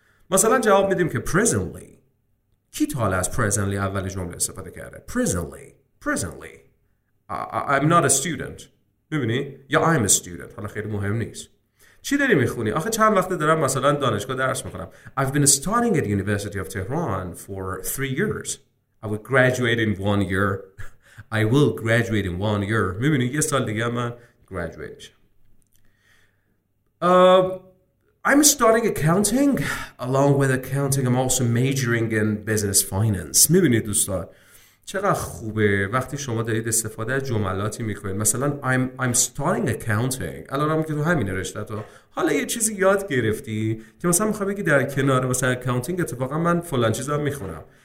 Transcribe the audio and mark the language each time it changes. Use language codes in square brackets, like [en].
[fa] مثلا جواب میدیم که presently. کی تا حالا از presently اول جمله استفاده کرده؟ [en] presently I'm not a student. [fa] میبینی؟ یا [en] I'm a student، [fa] حالا خیلی مهم نیست. چی داری میخونی؟ آخه چند وقته دارم مثلا دانشگاه درس میخونم. [en] I've been studying at University of Tehran for 3 years. I will graduate in 1 year. I will graduate in 1 year. [fa] میبینی یه سال دیگه من graduate میشم. [en] I'm studying accounting. Along with accounting I'm also majoring in business finance. [fa] میبینی دوستان چقدر خوبه وقتی شما دارید استفاده از جملاتی میکنید. [en] مثلا I'm studying accounting. [fa] الان هم که تو همین رشته تو حالا یه چیزی یاد گرفتی که مثلا میخوام بگی در کنار مثلا accounting اتفاقا من فلان چیز هم میخونم.